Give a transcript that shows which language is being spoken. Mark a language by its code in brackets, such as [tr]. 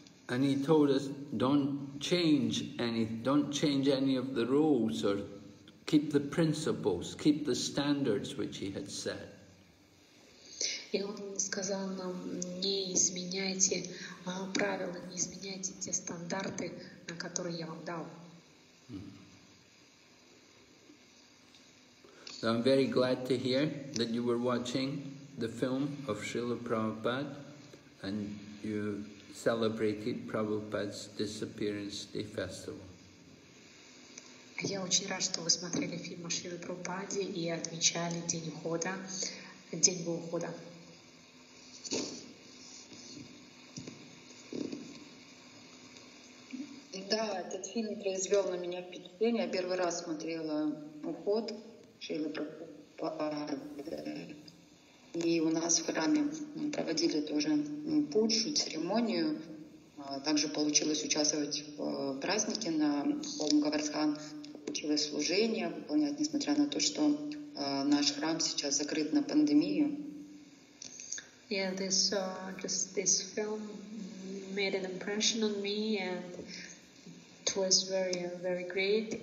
[en] And he told us, don't change any of the rules or keep the principles, keep the standards which he had set. [ru] И он сказал нам, не изменяйте правила, не изменяйте те стандарты, на которые я вам дал. [en] So I'm very glad to hear that you were watching the film of Srila Prabhupada and you celebrated Prabhupada's Disappearance Day Festival. [ru] Я очень рад, что вы смотрели фильм о Шриле Прабхупаде и отмечали день ухода, день его ухода. Да, этот фильм произвел на меня впечатление. Я первый раз смотрела уход Шриле Прабхупаде. И у нас в храме проводили тоже пуджу, церемонию. Также получилось участвовать в празднике на Холм Каварсхан. Получилось служение выполнять, несмотря на то, что наш храм сейчас закрыт на пандемию. [en] Yeah, this just this film made an impression on me, and it was very, very great.